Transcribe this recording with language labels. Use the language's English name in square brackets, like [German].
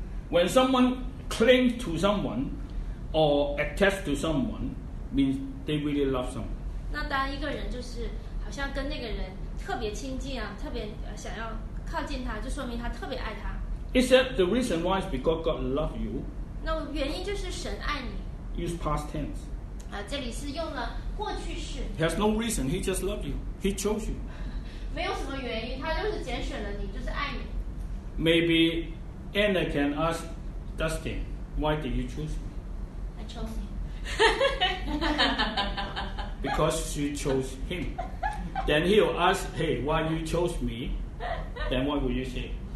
[English] When someone clings to someone or attests to someone, means they really love someone. [Chinese] 那当一个人就是好像跟那个人特别亲近啊，特别想要靠近他，就说明他特别爱他。 [English] Except the reason why is because God loves you. [Chinese] 那原因就是神爱你。 [English] Use past tense. [Chinese] 这里是用了过去式。 [English] Has no reason. He just loved you. He chose you. [Chinese] 没有什么原因，他就是拣选了你，就是爱你。 [English] Maybe Anna can ask Dustin, why did you choose me? I chose him. Because she chose him. Then he'll ask, hey, why you chose me? Then what will you say?